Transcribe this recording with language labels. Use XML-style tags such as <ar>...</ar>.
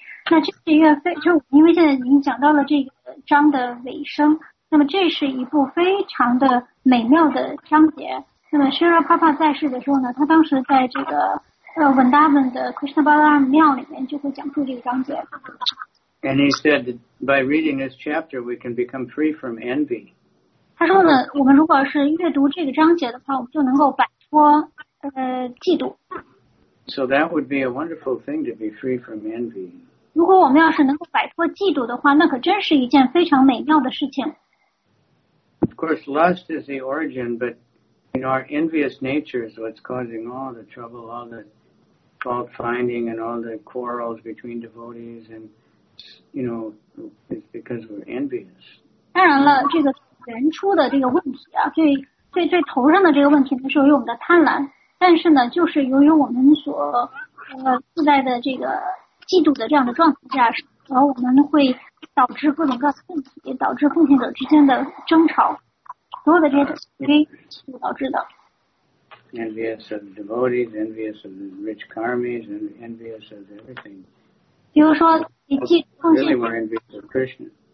<zh>那这是一个非就因为现在已经讲到了这个章的尾声，那么这是一部非常的美妙的章节。那么Srila Prabhupada在世的时候呢，他当时在这个Vrindavan 的 Krishna Balaram 庙里面就会讲述这个章节。</zh> <en>And he said that by reading this chapter, we can become free from envy.</en> <zh>他说呢，我们如果是阅读这个章节的话，我们就能够摆脱嫉妒。</zh> <en>So that would be a wonderful thing to be free from envy.</en> <zh>如果我们要是能够摆脱嫉妒的话，那可真是一件非常美妙的事情。</zh> <en>Of course, lust is the origin, but you know, our envious nature is what's causing all the trouble, all the fault finding, and all the quarrels between devotees, and, you know, it's because we're envious.</en> <zh>当然了，这个原初的这个问题啊，最头上的这个问题呢，是由于我们的贪婪。但是呢，就是由于我们所自在的这个嫉妒的这样的状态下，然后我们会导致各种各样的问题，导致奉献者之间的争吵。所有的这些都导致的。</zh> <en>Envious of devotees, envious of the rich karmis, and envious of everything.</en> <zh>比如说，你嫉妒奉献。</zh> <en>Really, we're envious of Krishna.</en>